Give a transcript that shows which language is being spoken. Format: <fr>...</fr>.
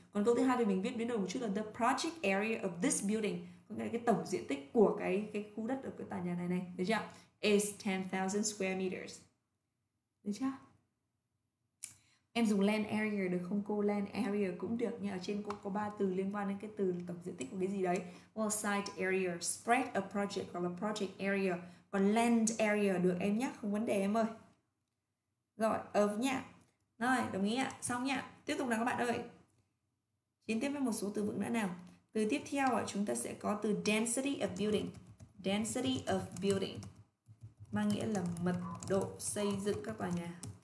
<vi>Còn câu thứ hai thì mình viết biến đổi một chút là</vi> <en>the project area of this building,</en> <vi>có nghĩa là cái tổng diện tích của cái khu đất ở cái tòa nhà này này, được chưa?</vi> <en>Is 10,000 square meters.</en> <vi>Được chưa? Em dùng land area được không cô? Land area cũng được nha. Ở trên cô có ba từ liên quan đến cái từ tổng diện tích của cái gì đấy.</vi> <en>Well, site area, spread of project or the project area.</en> <vi>Còn land area được em nhắc, không vấn đề em ơi. Rồi, of nha. Rồi, đồng ý ạ. Xong nha. Tiếp tục nào các bạn ơi. Chiến tiếp với một số từ vựng nữa nào. Từ tiếp theo chúng ta sẽ có từ density of building. density of building mang nghĩa là mật độ xây dựng các tòa nhà.</vi>